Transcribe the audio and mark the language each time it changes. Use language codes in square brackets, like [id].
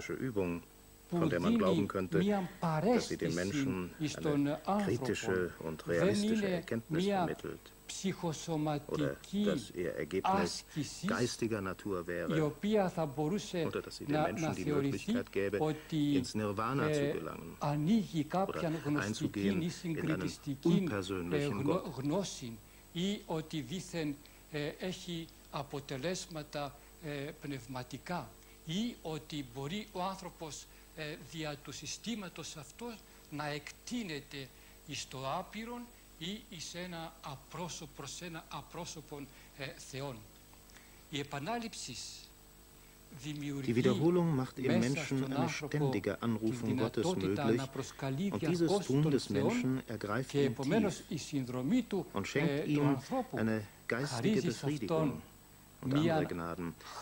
[de] von der man glauben könnte, dass sie den Menschen eine kritische und realistische Erkenntnis vermittelt oder dass ihr Ergebnis geistiger Natur wäre oder dass sie den Menschen die Möglichkeit gäbe, ins Nirvana zu gelangen oder einzugehen in einen unpersönlichen Gott pneumatika oder dass ein Mensch [el] δια του συστήματος αυτό να εκτείνεται εις το άπειρον ή εις ένα απρόσωπο, σε ένα απρόσωπο Θεόν. Η επανάληψη [de] Die Wiederholung macht im Menschen eine ständige Anrufung Gottes möglich und dieses Tun des Menschen ergreift ihn tief und schenkt ihm eine geistige Befriedigung. Und andere Gnaden.